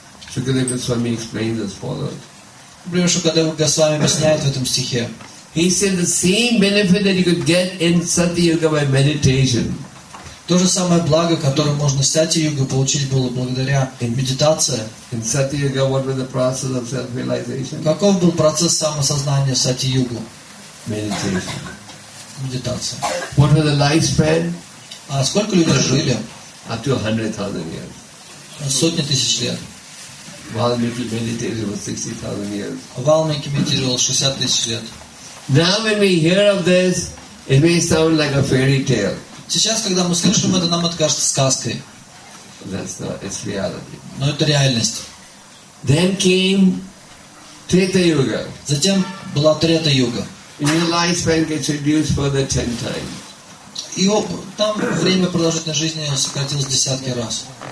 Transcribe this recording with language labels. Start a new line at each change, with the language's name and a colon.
English: Shukadeva Goswami explains as follows.
Russian: Например, Шукадева Госвами объясняет в этом стихе.
English: He said the same benefit that you could get in Satya-Yuga by meditation.
Russian: То же самое благо, которое можно в Сати-Юге получить было благодаря медитации.
English: In Satya-Yuga, what was the process of self-realization?
Russian: Каков был процесс самосознания в Сати-Юге?
English: Meditation.
Russian: Медитация.
English: What was the lifespan?
Russian: А сколько люди жили?
English: Up to 100,000 years.
Russian: Сотни тысяч лет.
English: Valmiki meditated for 60,000 years. Valmiki meditated 60,000 лет. Now when we hear of this, it may sound like a fairy tale.
Russian: Сейчас, когда мы слышим это, нам это кажется сказкой.
English: That's not, it's reality.
Russian: Но это реальность.
English: Then came Treta Yuga.
Russian: Затем была Трета Юга.
English: Your lifespan gets reduced for the 10 times.
Russian: И там время продолжительной жизни сократилось десятки раз.